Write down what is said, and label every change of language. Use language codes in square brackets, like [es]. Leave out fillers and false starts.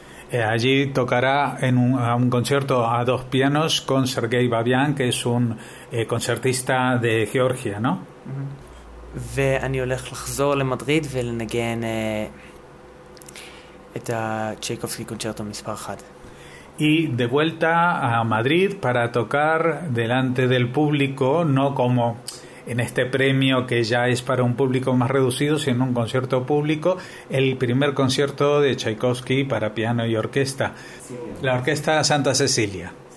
[es] Allí tocará en un concierto a 2 pianos con Sergei Babian, que es un concertista de Georgia, ¿no? [he] ואני הולך לחזור למדריד ולנגן את הצ'ייקובסקי קונצ'רטו מספר 1. [es] Y de vuelta a Madrid para tocar delante del público, no como en este premio que ya es para un público más reducido, sino un concierto público, el primer concierto de Tchaikovsky para piano y orquesta, la Orquesta Santa Cecilia.